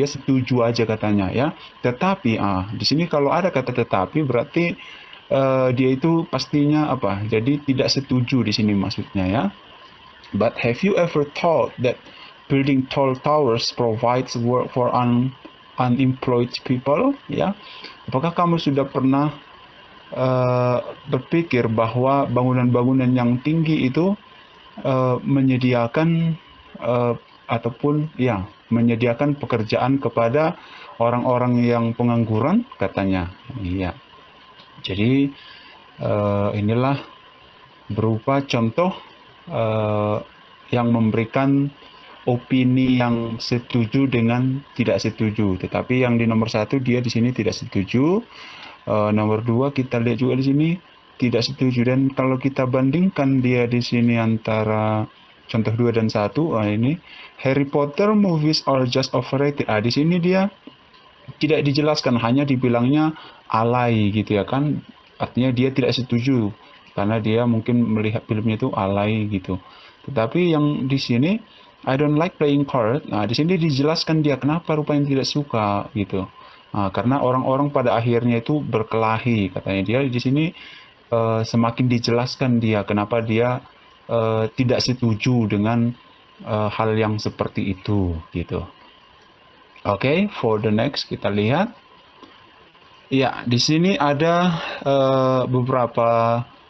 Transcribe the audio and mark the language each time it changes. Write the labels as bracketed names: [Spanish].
[Indonesian] Dia setuju aja katanya ya. Tetapi di sini kalau ada kata tetapi berarti dia itu pastinya apa? Jadi tidak setuju di sini maksudnya ya. [English] But have you ever thought that building tall towers provides work for unemployed people? Ya. [Indonesian] Apakah kamu sudah pernah berpikir bahwa bangunan-bangunan yang tinggi itu menyediakan ataupun ya menyediakan pekerjaan kepada orang-orang yang pengangguran katanya iya jadi inilah berupa contoh yang memberikan opini yang setuju dengan tidak setuju tetapi yang di nomor satu dia di sini tidak setuju nomor dua kita lihat juga di sini tidak setuju dan kalau kita bandingkan dia di sini antara contoh 2 dan 1 ini Harry Potter movies are just overrated. Di sini dia tidak dijelaskan hanya dibilangnya alay gitu ya kan. Artinya dia tidak setuju karena dia mungkin melihat filmnya itu alay gitu. [English] Tetapi yang di sini I don't like playing card. [Indonesian] Di sini dijelaskan dia kenapa rupanya tidak suka gitu. Karena orang-orang pada akhirnya itu berkelahi katanya dia di sini semakin dijelaskan dia kenapa dia tidak setuju dengan hal yang seperti itu gitu. Oke, okay, for the next kita lihat. Ya, di sini ada beberapa